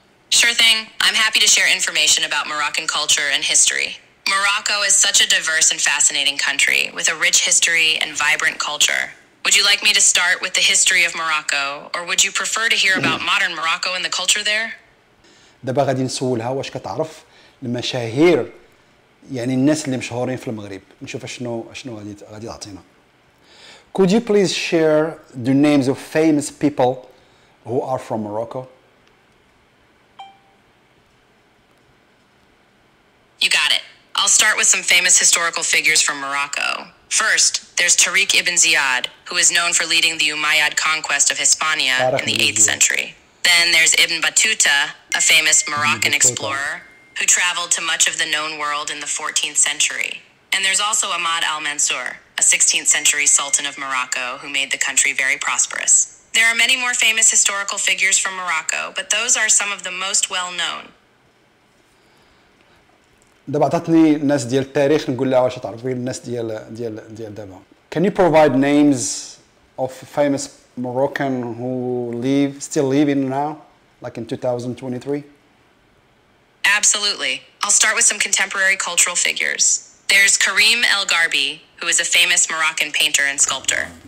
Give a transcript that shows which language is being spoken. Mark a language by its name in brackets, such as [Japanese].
[English] Sure thing. I'm happy to share information about Moroccan culture and history. Morocco is such a diverse and fascinating country with a rich history and vibrant culture. Would you like me to start with the history of Morocco, or would you prefer to hear about modern Morocco and the culture there? [Arabic] دابا غادي نسولها واش كتعرف المشاهير يعني الناس اللي مشهورين في المغرب. نشوف شنو غادي تعطينا. [English] Could you please share the names of famous people who are from Morocco? You got it. I'll start with some famous historical figures from Morocco. First, there's Tariq ibn Ziyad, who is known for leading the Umayyad conquest of Hispania in the 8th century. Then there's Ibn Battuta, a famous Moroccan explorer who traveled to much of the known world in the 14th century. And there's also Ahmad al-Mansur, a 16th century sultan of Morocco who made the country very prosperous. There are many more famous historical figures from Morocco, but those are some of the most well-known. [Arabic] دابا عطاتني الناس ديال التاريخ، نقول لها واش تعرفي الناس ديال دابا. [English] Can you provide names of famous Moroccan who still living now, like in 2023? Absolutely. I'll start with some contemporary cultural figures. There's Karim El Garbi, who is a famous Moroccan painter and sculptor.